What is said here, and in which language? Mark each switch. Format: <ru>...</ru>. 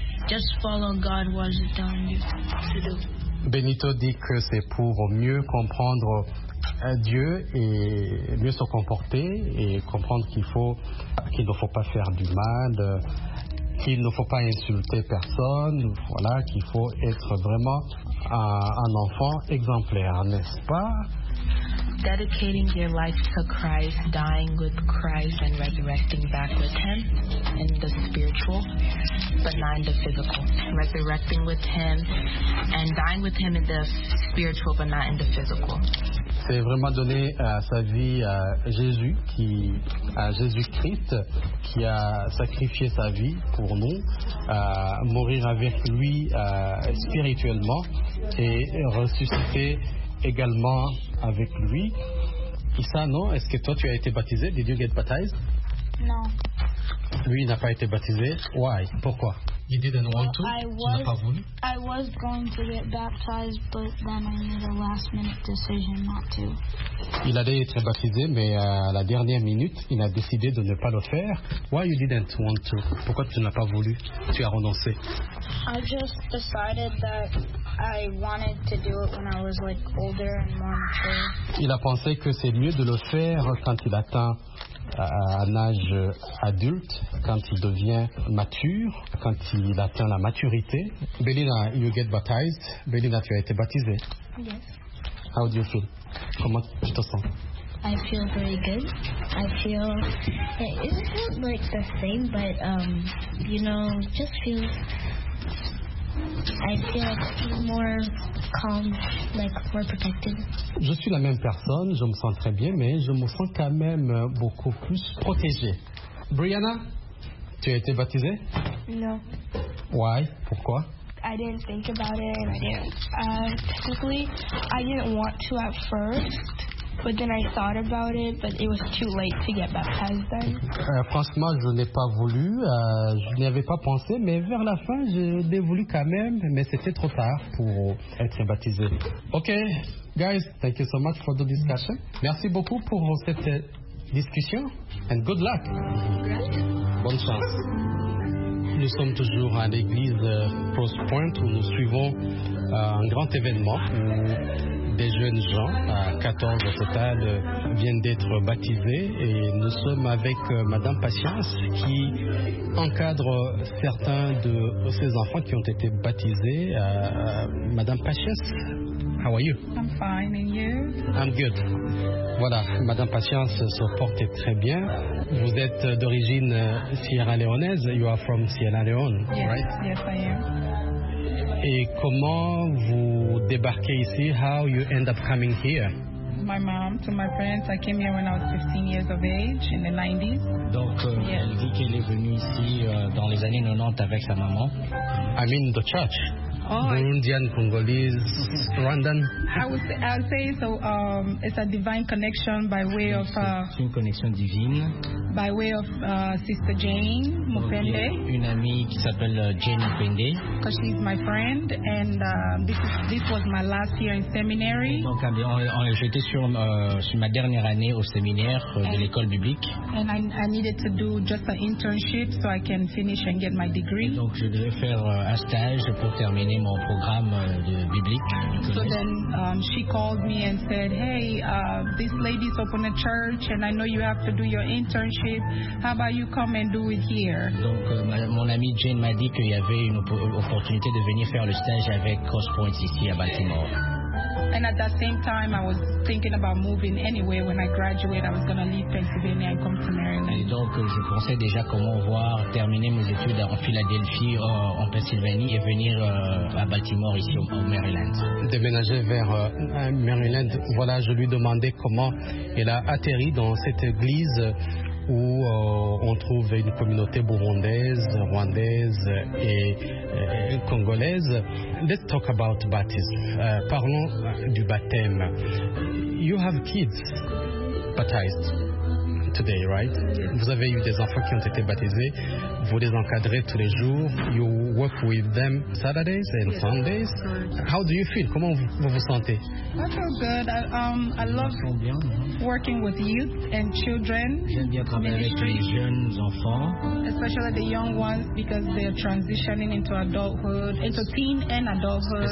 <en>Just follow God what is he telling you to do.</en> <fr>Benito dit que c'est pour mieux comprendre Dieu et mieux se comporter et comprendre qu'il ne faut pas faire du mal, qu'il ne faut pas insulter personne, voilà, qu'il faut être vraiment un enfant exemplaire, n'est-ce pas?</fr> <en>Dedicating your life to Christ, dying with Christ and resurrecting back with him in the spiritual, but not in the physical. Resurrecting with him and dying with him in the spiritual, but not in the physical.</en> <fr>C'est vraiment donner sa vie à Jésus, à Jésus-Christ, qui a sacrifié sa vie pour nous, mourir avec lui spirituellement et ressusciter également avec lui. Issa, non? Est-ce que toi, tu as été baptisé?</fr> <en>Did you get baptized?</en> <fr>Non. Lui, il n'a pas été baptisé.</fr> <en>Why?</en> <fr>Pourquoi?</fr> <en>You didn't want to?</en> <fr>Tu n'as pas voulu?</fr> <en>I was going to get baptized, but then I made a last-minute decision not to.</en> <fr>Il allait être baptisé, mais à la dernière minute, il a décidé de ne pas le faire.</fr> <en>Why you didn't want to?</en> <fr>Pourquoi tu n'as pas voulu? Tu as renoncé?</fr> <en>I just decided that I wanted to do it when I was like older and more mature.</en> <fr>Il a pensé que c'est mieux de le faire quand il atteint un âge adulte, quand il devient mature, quand il atteint la maturité.</fr> <en>Belina, you get baptized.</en> <fr>Belina, tu as été baptisée.</fr> <en>Yes. How do you feel?</en> <fr>Comment tu te sens?</fr> <en>I feel very good. I feel it isn't like the same, but you know, just feels. I feel more calm, like more protected.</en> <fr>Je suis la même personne, je me sens très bien, mais je me sens quand même beaucoup plus protégée. Brianna, tu as été baptisée?</fr> <en>No. Why?</en> <fr>Pourquoi?</fr> <en>I didn't think about it. Technically, I didn't want to at first, but then I thought about it, but it was too late to get baptized then.</en> <fr>Franchement, je n'ai pas voulu, je n'y avais pas pensé, mais vers la fin, je l'ai voulu quand même, mais c'était trop tard pour être baptisé.</fr> <en>Ok, guys, thank you so much for the discussion.</en> <fr>Merci beaucoup pour cette discussion,</fr> <en>and good luck.</en> <fr>Bonne chance. Nous sommes toujours à l'église Post Point où nous suivons un grand événement où des jeunes gens, à 14 au total, viennent d'être baptisés. Et nous sommes avec Madame Patience qui encadre certains de ces enfants qui ont été baptisés.</fr> <en>Madame Patience, how are you? I'm fine, and you? I'm good.</en> <fr>Voilà, Madame Patience se porte très bien. Vous êtes d'origine Sierra Leonaise.</fr> <en>You are from Sierra Leone, yes, right? Yes, I am.</en> <fr>Et comment vous débarquez ici?</fr> <en>How you end up coming here? My mom to my friends. I came here when I was 15 years of age in the 90s.</en> <fr>Donc,</fr> <en>yes.</en> <fr>Elle dit qu'elle est venue ici dans les années 90 avec sa maman.</fr> <en>I mean the church. Oh, Burundian, Congolese, Rwandan. I would say so. It's a divine connection by way of.</en> <fr>C'est une connexion divine.</fr> <en>By way of Sister Jane Mupende.</en> <fr>Une amie qui s'appelle Jane Mupende.</fr> <en>Because she's my friend, and this was my last year in seminary.</en> <fr>Donc, j'étais sur ma dernière année au séminaire de l'école biblique.</fr> <en>And I needed to do just an internship so I can finish and get my degree.</en> <fr>Donc, je devais faire un stage pour terminer mon programme de biblique.</fr> <en>So then she called me and said, hey, this lady's open a church and I know you have to do your internship. How about you come and do it here?</en> <fr>Donc mon amie Jane m'a dit qu'il y avait une opportunité de venir faire le stage avec Cross Point ici à Baltimore.</fr> <en>And at that same time, I was thinking about moving anyway. When I graduate, I was going to leave Pennsylvania and come to Maryland.</en> <fr>Et donc, je pensais déjà comment voir terminer mes études en Philadelphie, en Pennsylvanie, et venir à Baltimore, ici, au Maryland. Déménager vers Maryland, voilà, je lui demandais comment elle a atterri dans cette église où on trouve une communauté burundaise, rwandaise et congolaise.</fr> <en>Let's talk about baptism.</en> <fr>Parlons du baptême.</fr> <en>You have kids baptized today, right?</en> <fr>Vous avez eu des enfants qui ont été baptisés. Vous les encadrez tous les jours.</fr> <en>You work with them Saturdays and Sundays. How do you feel?</en> <fr>Comment vous vous sentez?</fr> <en>I feel good. I love working with youth and children.</en> <fr>J'aime bien travailler avec les jeunes enfants.</fr> <en>Especially the young ones because they are transitioning into adulthood, into teen and adulthood.</en>